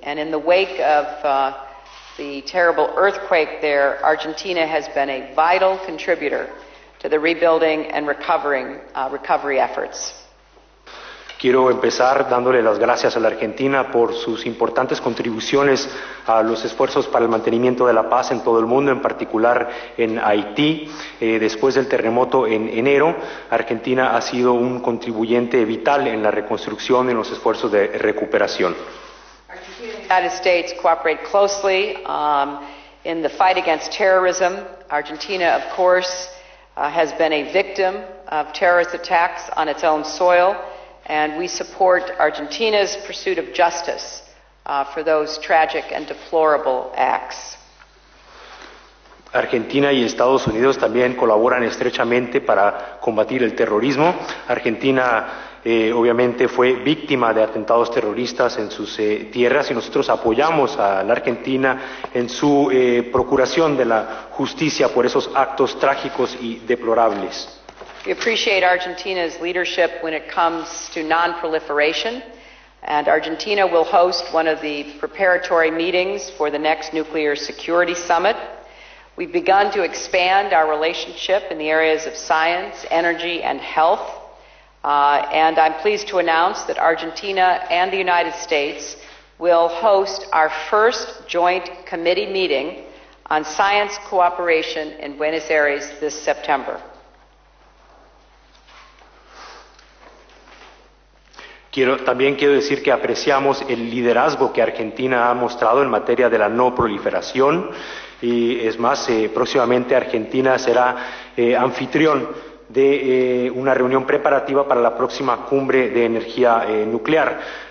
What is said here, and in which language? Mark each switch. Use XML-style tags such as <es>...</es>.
<en>And in the wake of the terrible earthquake there, Argentina has been a vital contributor to the rebuilding and recovery efforts.</en> <es>Quiero empezar dándole las gracias a la Argentina por sus importantes contribuciones a los esfuerzos para el mantenimiento de la paz en todo el mundo, en particular en Haití. Después del terremoto en enero, Argentina ha sido un contribuyente vital en la reconstrucción y en los esfuerzos de recuperación. Argentina y los Estados Unidos cooperan</es> <en>closely in the fight against terrorism. Argentina, of course, has been a victim of terrorist attacks on its own soil. And we support Argentina's pursuit of justice for those tragic and deplorable acts.</en> <es>Argentina y Estados Unidos también colaboran estrechamente para combatir el terrorismo. Argentina obviamente fue víctima de atentados terroristas en sus tierras, y nosotros apoyamos a la Argentina en su procuración de la justicia por esos actos trágicos y deplorables.</es> <en>We appreciate Argentina's leadership when it comes to non-proliferation, and Argentina will host one of the preparatory meetings for the next nuclear security summit. We've begun to expand our relationship in the areas of science, energy, and health, and I'm pleased to announce that Argentina and the United States will host our first joint committee meeting on science cooperation in Buenos Aires this September.</en> <es>También quiero decir que apreciamos el liderazgo que Argentina ha mostrado en materia de la no proliferación, y es más, próximamente Argentina será anfitrión de una reunión preparativa para la próxima cumbre de energía nuclear.</es>